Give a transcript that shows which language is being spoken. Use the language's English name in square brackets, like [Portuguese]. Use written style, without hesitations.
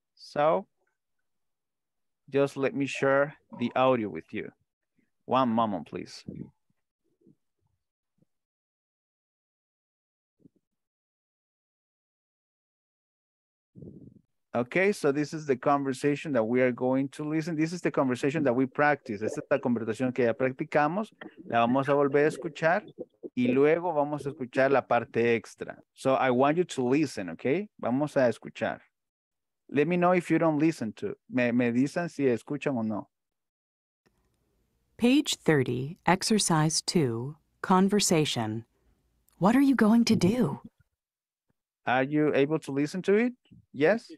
[English] So just let me share the audio with you. One moment, please. Okay, so this is the conversation that we are going to listen. This is the conversation that we practice. [Spanish] Esta es la conversación que ya practicamos. La vamos a volver a escuchar y luego vamos a escuchar la parte extra. [English] So I want you to listen, okay? [Spanish] Vamos a escuchar. [English] Let me know if you don't listen to. [Spanish] Me dicen si escuchan o no. [English] Page 30, exercise 2, conversation. What are you going to do? Are you able to listen to it? Yes?